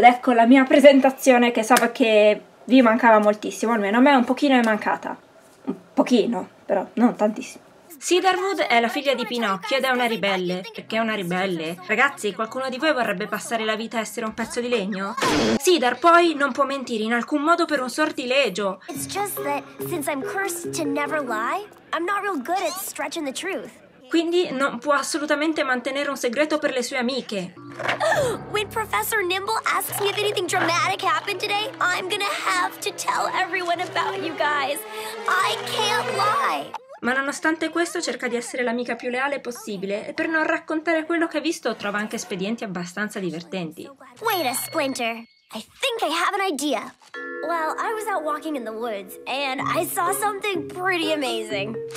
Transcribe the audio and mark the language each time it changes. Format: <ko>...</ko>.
<it>Ed ecco la mia presentazione, che so che vi mancava moltissimo, almeno a me un pochino è mancata. Un pochino, però non tantissimo. Cedarwood è la figlia di Pinocchio ed è una ribelle. Perché è una ribelle? Ragazzi, qualcuno di voi vorrebbe passare la vita a essere un pezzo di legno? Cedar poi non può mentire in alcun modo per un sortilegio.</it> <en>It's just that since I'm cursed to never lie, I'm not real good at stretching the truth.</en> <it>Quindi non può assolutamente mantenere un segreto per le sue amiche.</it> <en>When Professor Nimble asks me if anything dramatic happened today, I'm gonna have to tell everyone about you guys. I can't lie.</en> <it>Ma nonostante questo cerca di essere l'amica più leale possibile e per non raccontare quello che ha visto trova anche espedienti abbastanza divertenti.</it> <en>Wait a Splinter. I think I have an idea. Well, I was out walking in the woods and I saw something pretty amazing.</en>